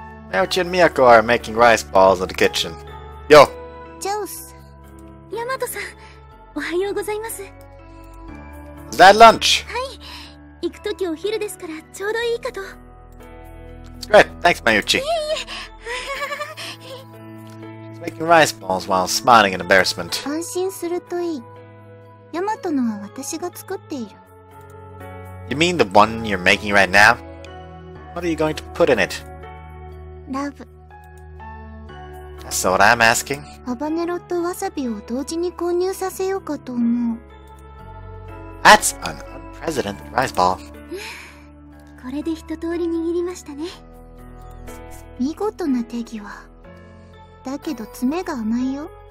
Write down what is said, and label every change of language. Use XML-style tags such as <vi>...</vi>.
<en>Naochi and Miyako are making rice balls in the kitchen. Yo!</en> <ja>ジョース。ヤマトさん、おはようございます。</ja> <en>Is that lunch?</en> <ja>はい。行くときお昼ですからちょうどいいかと。</ja> <en>Great. Thanks, Naochi.</en> <ja>いえいえ。</ja> <en>Making rice balls while smiling in embarrassment.</en> <ja>安心するといい。ヤマトのは私が作っている。</ja> <en>You mean the one you're making right now? What are you going to put in it? Love. That's what I'm asking.</en> <ja>ハバネロとワサビを同時に購入させようかと思う。</ja> <en>That's an unprecedented rice ball.</en> <ja>これで一通り握りましたね。見事な手際。だけど爪が甘いよ。</ja>